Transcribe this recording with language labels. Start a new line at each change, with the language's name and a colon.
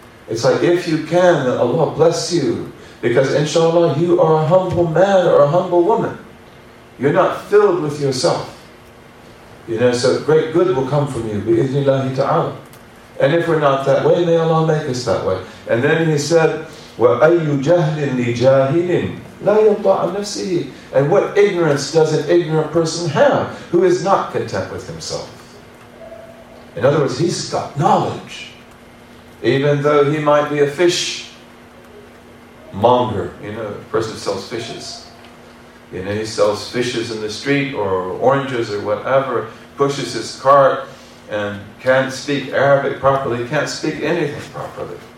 English: It's like, if you can, then Allah bless you. Because inshallah, you are a humble man or a humble woman. You're not filled with yourself. You know, so great good will come from you, bi-idhnillahi ta'ala. And if we're not that way, may Allah make us that way. And then he said,
Arabic: وَأَيُّ جَهْلٍ لِجَاهِلٍ لَا يَضَّعْ نَفْسِهِ.
English: And what ignorance does an ignorant person have who is not content with himself? In other words, he's got knowledge. Even though he might be a fish monger, you know, a person who sells fishes. You know, he sells fishes in the street or oranges or whatever, pushes his cart and can't speak Arabic properly, can't speak anything properly.